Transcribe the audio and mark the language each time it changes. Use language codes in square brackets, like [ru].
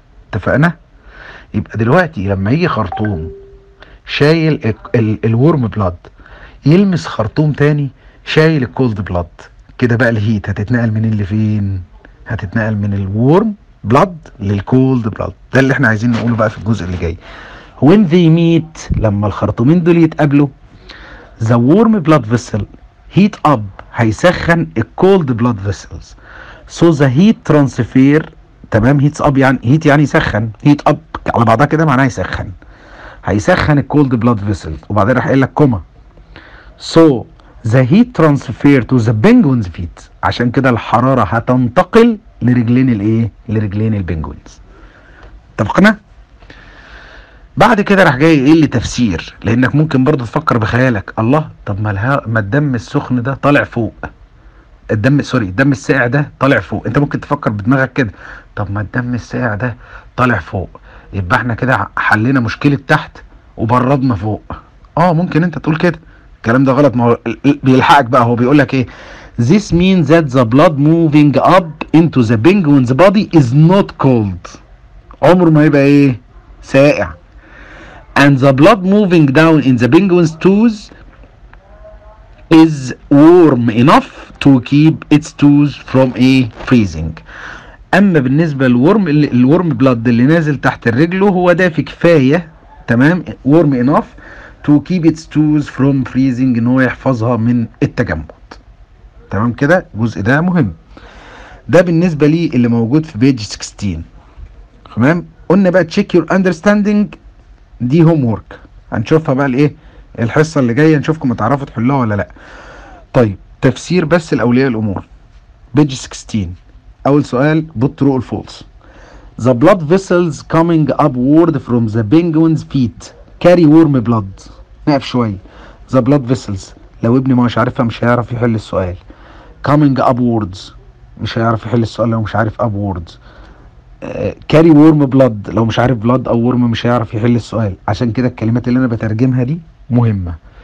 [ar] اتفقنا؟ يبقى دلوقتي لما يجي خرطوم شايل الورم بلاد يلمس خرطوم تاني شايل الكولد بلاد، كده بقى الهيت هتتنقل منين لفين؟ هتتنقل من الورم بلاد للكولد بلاد. ده اللي احنا عايزين نقوله بقى في الجزء اللي جاي. [en] When they meet، [ar] لما الخرطومين دول يتقابلوا، [en] the warm blood vessel heat up، [ar] هيسخن الكولد بلاد vessels، [en] so the heat transfer، [ar] تمام، heats up يعني heat يعني يسخن، heat up على بعضها كده معناها يسخن، هيسخن الكولد بلاد vessel. وبعدين راح قايل لك كوما، [en] so the heat transfer to the penguin's feet، [ar] عشان كده الحرارة هتنتقل لرجلين الايه؟ لرجلين البنجوينز. اتفقنا؟ بعد كده راح جاي ايه لتفسير، لانك ممكن برضو تفكر بخيالك، الله، طب ما الدم السخن ده طالع فوق، الدم الساقع ده طالع فوق. انت ممكن تفكر بدماغك كده، طب ما الدم الساقع ده طالع فوق، يبقى احنا كده حلينا مشكلة تحت وبردنا فوق. ممكن انت تقول كده، الكلام ده غلط. ما هو بيلحقك بقى، هو بيقول لك ايه؟ [en] This means that the blood moving up into the penguin's body is not cold، [ar] عمره ما يبقى ايه؟ سائع. [en] And the blood moving down in the penguin's toes is warm enough to keep its toes from a freezing. [ar] اما بالنسبة للورم، الورم بلاد اللي نازل تحت رجله هو دافي كفاية، تمام، [en] warm enough to keep its toes from freezing، [ar] ان هو يحفظها من التجمد، تمام كده. الجزء ده مهم، ده بالنسبه لي اللي موجود في بيج 16، تمام. قلنا بقى [en] check your understanding, [ar] دي هوم ورك، هنشوفها بقى الايه الحصه اللي جايه، نشوفكم هتعرفوا تحلوها ولا لا. طيب تفسير بس الاولياء الامور، بيج 16، اول سؤال بطرق الفولس، [en] the blood vessels coming upward from the penguin's feet carry warm blood. [ar] نقف شوية، [en] the blood vessels، [ar] لو ابني ما مش عارفها مش هيعرف يحل السؤال. [en] coming upwards، [ar] مش هيعرف يحل السؤال لو مش عارف upwards. [en] carry warm blood، [ar] لو مش عارف blood او warm مش هيعرف يحل السؤال. عشان كده الكلمات اللي انا بترجمها دي مهمة.